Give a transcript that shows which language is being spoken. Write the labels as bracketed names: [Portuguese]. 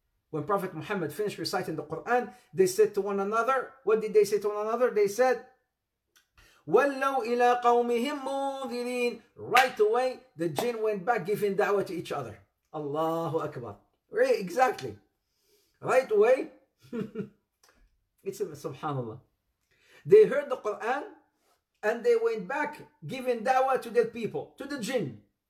[English] When Prophet Muhammad finished reciting the Quran, they said to one another, what did they say to one another? They said, [Arabic] وَلَّوْا إِلَىٰ قَوْمِهِمْ مُنذِرِينَ. [English] Right away, the jinn went back giving da'wah to each other. Allahu Akbar. Right, exactly. Right away, it's a subhanAllah. They heard the Quran and they went back giving da'wah to their people, to the jinn.